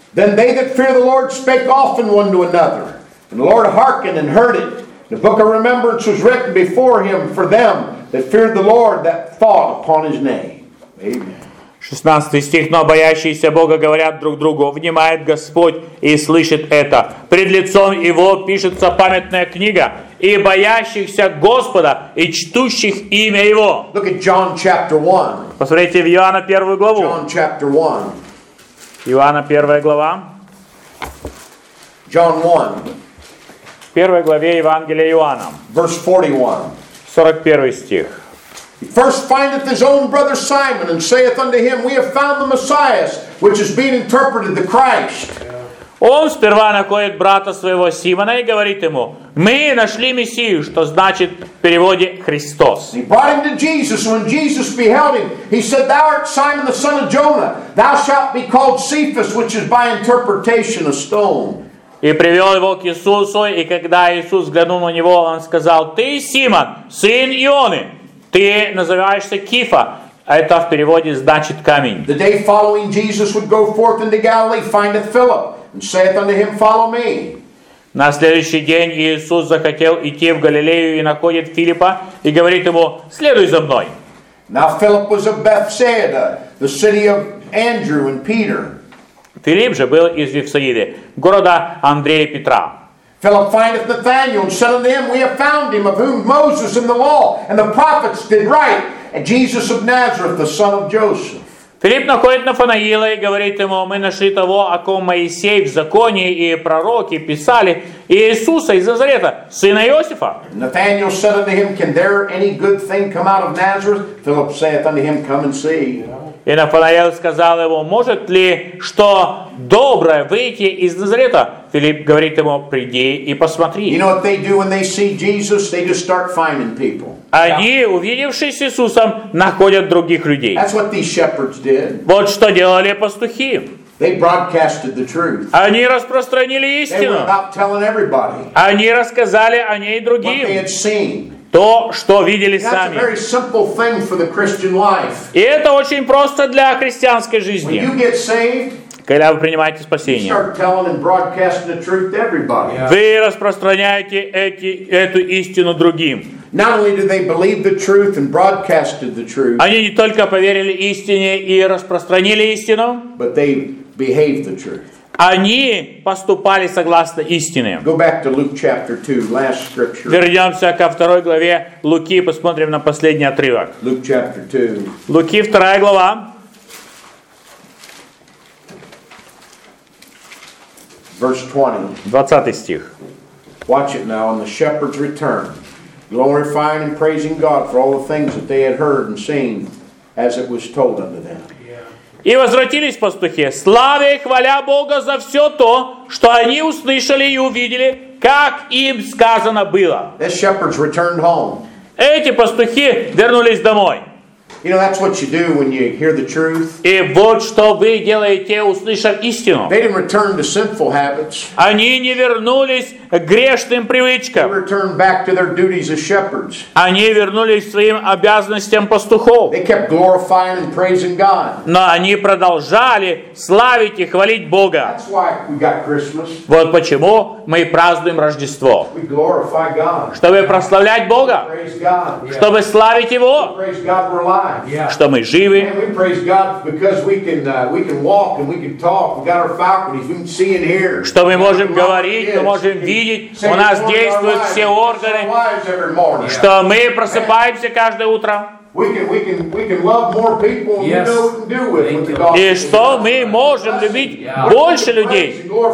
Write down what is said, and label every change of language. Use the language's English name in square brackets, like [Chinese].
[English] Then they that fear the Lord spake often one to another, and the Lord hearkened and heard it. The book of remembrance was written before Him for them that feared the Lord, that thought upon His name. Amen. [Russian] 16 стих. Но боящиеся Бога говорят друг другу, внимает Господь и слышит это. Пред лицом Его пишется памятная книга, и боящихся Господа, и чтущих имя Его. [English] Look at John chapter 1. [Russian] Посмотрите в Иоанна 1 главу. [English] John chapter 1. [Russian] Иоанна 1 глава. [English] John 1. [Russian] В первой главе Евангелия Иоанна. [English] Verse 41. [Russian] 41 стих. [English] He first findeth his own brother Simon, and saith unto him, We have found the Messiah, which is being interpreted the Christ. [Russian] Он сперва находит брата своего Симона и говорит ему, «Мы нашли Мессию», что значит в переводе «Христос». [English] He brought him to Jesus, and when Jesus beheld him, he said, «Thou art Simon, the son of Jonah. Thou shalt be called Cephas, which is by interpretation a stone». [Russian] И привел его к Иисусу, и когда Иисус взглянул на него, он сказал, «Ты Симон, сын Ионы, ты называешься Кифа». Это в переводе значит «камень». [English] The day following Jesus would go forth into Galilee, findeth Philip. And saith unto him, Follow me. [Russian] На следующий день Иисус захотел идти в Галилею и находит Филиппа и говорит ему, следуй за мной. [English] Now Philip was of Bethsaida, the city of Andrew and Peter. [Russian] Филипп же был из Вифсаиды, города Андрея и Петра. [English] Philip findeth Nathanael and said unto him, We have found him of whom Moses in the law and the prophets did write, and Jesus of Nazareth, the son of Joseph. [Russian] Филипп находит Нафанаила и говорит ему, мы нашли того, о ком Моисей в законе и пророки писали, Иисуса из Назарета, сына Иосифа. [English] Nathanael said unto him, Can there any good thing come out of Nazareth? Philip saith unto him, Come and see. [Russian] И Нафанаил сказал ему, может ли что доброе выйти из Назарета? Филипп говорит ему, приди и посмотри. [English] You know what they do when they see Jesus? They just start finding people. [Russian] Они, увидевшись с Иисусом, находят других людей. [English] That's what these shepherds did. [Russian] Вот что делали пастухи. [English] They broadcasted the truth. [Russian] Они распространили истину. [English] They were about telling everybody. [Russian] Они рассказали о ней другим. [English] What they had seen. [Russian] То, что видели сами. [English] That's a very simple thing for the Christian life. [Russian] И это очень просто для христианской жизни. [English] When you get saved, [Russian] когда вы принимаете спасение, вы распространяете эту истину другим. [English] Not only did they believe the truth and broadcasted the truth, [Russian] они не только поверили истине и распространили истину, [English] but they behaved the truth. [Russian] Они поступали согласно истине. [English] Go back to Luke chapter 2, last scripture. [Russian] Вернемся ко второй главе Луки, посмотрим на последний отрывок. [English] Luke chapter 2. [Russian] Луки, вторая глава. [English] Verse [Russian] 20. 20 стих. [English] Watch it now, and the shepherds returned, glorifying and praising God for all the things that they had heard and seen, as it was told unto them. [Russian] И возвратились пастухи, славя и хваля Бога за все то, что они услышали и увидели, как им сказано было. [English] The shepherds returned home. [Russian] Эти пастухи вернулись домой. [English] You know, that's what you do when you hear the truth. [Russian] И вот что вы делаете, услышав истину. [English] They didn't return to sinful habits. [Russian] Они не вернулись к грешным привычкам. [English] They returned back to their duties as shepherds. [Russian] Они вернулись к своим обязанностям пастухов. [English] They kept glorifying and praising God. [Russian] Но они продолжали славить и хвалить Бога. [English] That's why we got Christmas. [Russian] Вот почему мы празднуем Рождество. [English] We glorify God. [Russian] Чтобы прославлять Бога. [English] Praise God. Yeah. [Russian] Чтобы славить Его. [English] Praise God. We're alive. [Russian] Что мы живы. [English] And we praise God because we can walk and we can talk. We got our faculties. We can see and hear. [Russian] Что мы можем говорить, мы можем видеть. У нас действуют все органы. Что мы просыпаемся каждое утро. [English] We can love more people than yes. You know we can do with God. [Russian] И что мы можем любить yeah. больше людей.